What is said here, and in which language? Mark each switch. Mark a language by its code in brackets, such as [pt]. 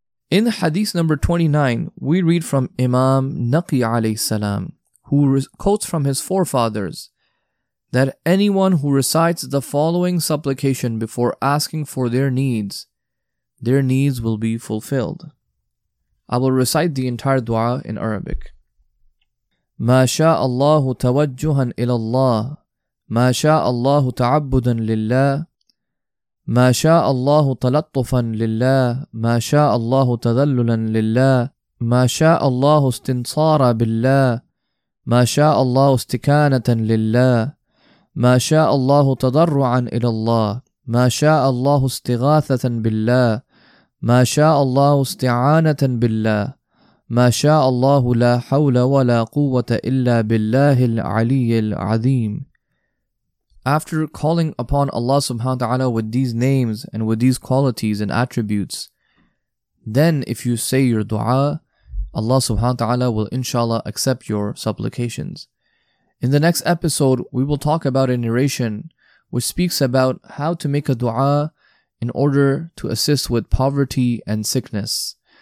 [en] In hadith number 29, we read from Imam Naqi alayhi salam, who quotes from his forefathers, that anyone who recites the following supplication before asking for their needs will be fulfilled. I will recite the entire dua in Arabic. [ar] ما شاء الله توجها إلى الله ما شاء الله تعبدا لله ما شاء الله تلطفا لله ما شاء الله تذللا لله ما شاء الله استنصارا بالله ما شاء الله استكانة لله ما شاء الله تضرعا إلى الله ما شاء الله استغاثة بالله ما شاء الله استعانة بالله ما شاء الله لا حول ولا قوة إلا بالله العلي العظيم. [en] After calling upon Allah subhanahu wa ta'ala with these names and with these qualities and attributes, then if you say your dua, Allah subhanahu wa ta'ala will inshallah accept your supplications. In the next episode, we will talk about a narration which speaks about how to make a dua in order to assist with poverty and sickness.